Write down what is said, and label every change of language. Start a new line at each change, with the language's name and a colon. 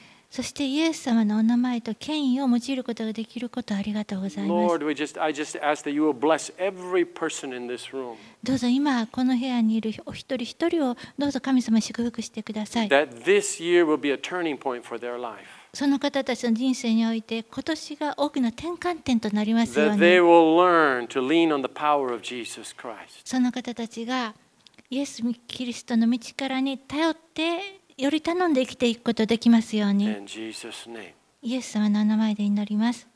Japanese: そしてイエス様のお名前と権威を用いることができることありがとうございます。
English: Lord, I just ask that you will bless every person in this room.
Japanese: どうぞ今この部屋にいるお一人一人をどうぞ神様祝福してください。
English: That this year will be a turning point for their life.
Japanese: その方たちの人生において今年が大きな転換点となりますように。
English: That they will learn to lean on the power of Jesus Christ.
Japanese: その方たちがイエス・キリストの道からに頼って。より頼んで生きていくことができますように。イエス様の名前で祈ります。